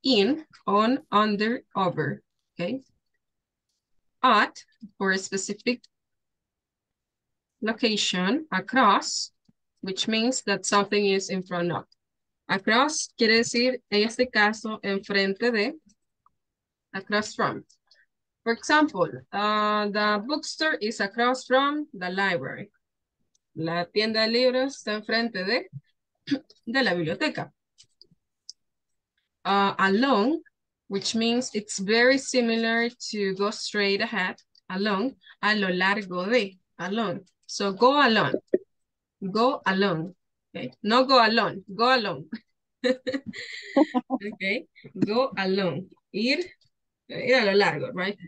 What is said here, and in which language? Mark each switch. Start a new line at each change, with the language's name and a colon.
English: In, on, under, over, okay? At, for a specific location, across, which means that something is in front of.
Spanish: Across quiere decir, en este caso, enfrente de,
English: across from. For example, the bookstore is across from the library.
Spanish: La tienda de libros está enfrente de la biblioteca.
English: Along, which means it's very similar to go straight ahead, along,
Spanish: a lo largo de,
English: along. So go along, go along, okay? No go alone, go along. Okay, go along,
Spanish: ir, ir a lo largo,
English: right?